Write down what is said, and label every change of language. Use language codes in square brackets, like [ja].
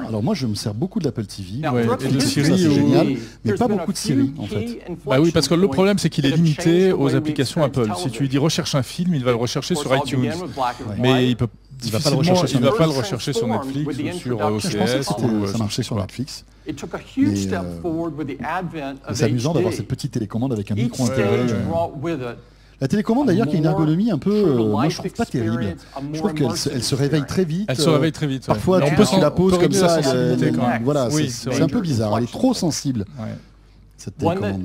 [fr] Alors moi je me sers beaucoup de l'Apple TV, ouais, et de Siri, c'est génial, mais pas beaucoup de Siri en fait. Bah oui, parce que le problème c'est qu'il est limité aux applications Apple. Si tu lui dis recherche un film, il va le rechercher sur iTunes, mais il peut difficilement, il va pas le rechercher sur Netflix ou sur OCS. Je pensais que ça marchait sur Netflix. [en] It took a huge step forward with the advent of HD. [fr] C'est amusant d'avoir cette petite télécommande avec un micro intérieur. La télécommande d'ailleurs qui a une ergonomie un peu, moi je trouve pas terrible. Je trouve qu'elle se réveille très vite. Elle se réveille très vite. Parfois ouais. Tu poses la pause comme ça. Voilà, oui, c'est un peu bizarre. Elle est trop sensible. Ouais. Cette télécommande.